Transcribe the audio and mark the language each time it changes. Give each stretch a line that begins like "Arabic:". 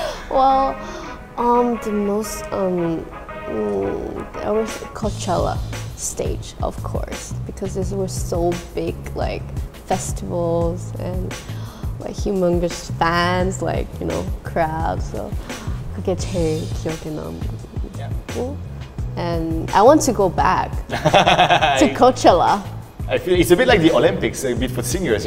English: Well, the most there was Coachella stage, of course, because this was so big, like festivals and like humongous fans, like you know crowds.
Korean: So, 그게 제일 기억에 남고.
English: And I want to go back to Coachella. I feel it's a bit like the Olympics, a bit for singers.